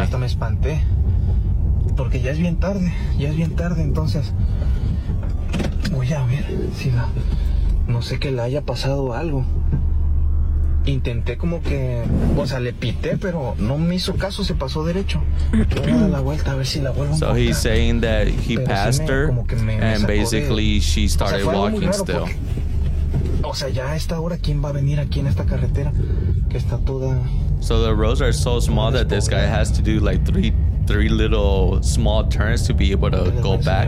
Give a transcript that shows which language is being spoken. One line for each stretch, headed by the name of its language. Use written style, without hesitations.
Spanish: Hasta me espanté porque ya es bien tarde, entonces voy a ver si la, no sé, que le haya pasado algo. Intenté como que, o sea, le pité, pero no me hizo caso, se pasó derecho. Voy a dar la vuelta a ver si la vuelvo a encontrar.
English: So he's saying that he passed her, and basically she started walking still.
Spanish: O sea, ya a esta hora, ¿quién va a venir aquí en esta carretera? Que está toda...
English: So the roads are so small that this guy has to do like three little small turns to be able to go back.